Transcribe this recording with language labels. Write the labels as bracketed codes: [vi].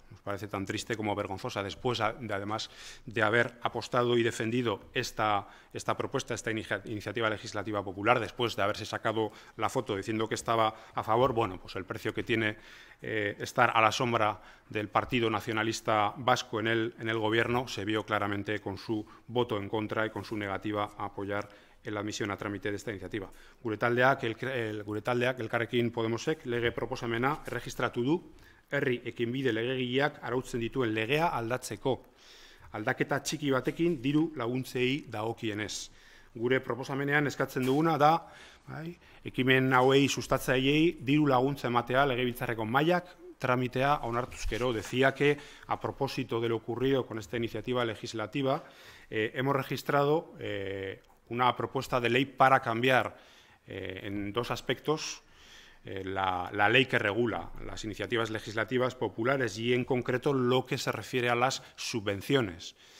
[es] Nos parece tan triste como vergonzosa después, además de haber apostado y defendido esta propuesta, esta iniciativa legislativa popular, después de haberse sacado la foto diciendo que estaba a favor. Bueno, pues el precio que tiene estar a la sombra del Partido Nacionalista Vasco en el Gobierno se vio claramente con su voto en contra y con su negativa a apoyar en la admisión a trámite de esta iniciativa. [eu] Gure taldeak, Elkarrekin Podemosek, lege proposamena erregistratu du, herri ekinbide legegileak arautzen dituen legea aldatzeko, aldaketa txiki batekin diru laguntzei dagokienez. gure proposamenean eskatzen duguna da, bai, ekimen hauei sustatzaileei diru laguntza ematea legebiltzarreko mailak tramitea onartuzkero. [es] Decía que a propósito de lo ocurrido con esta iniciativa legislativa, hemos registrado una propuesta de ley para cambiar en dos aspectos la ley que regula las iniciativas legislativas populares y, en concreto, lo que se refiere a las subvenciones.